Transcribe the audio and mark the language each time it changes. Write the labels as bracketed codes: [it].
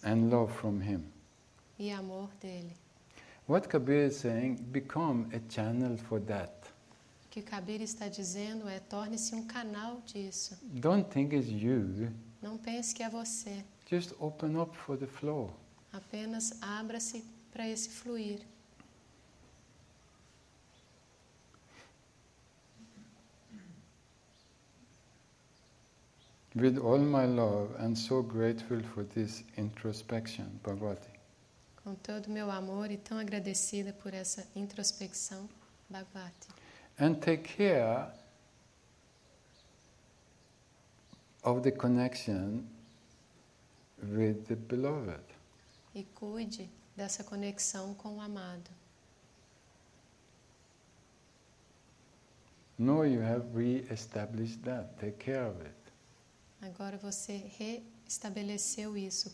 [en] And love from him. [pt] E amor dele. [en] What Kabir is saying, become a channel for that. [pt] O que Kabir está dizendo é, torne-se um canal disso. [en] Don't think it's you. [pt] Não pense que é você. [en] Just open up for the flow. [pt] Apenas abra-se para esse fluir. [en] With all my love, I'm so grateful for this introspection, Bhagavati. [pt] Com todo o meu amor e tão agradecida por essa introspecção, Bhagavati. [en] And take care of the connection with the beloved. [pt] E cuide dessa conexão com o amado. [en] No, you have re-established that. Take care of it. [pt] Agora você reestabeleceu isso.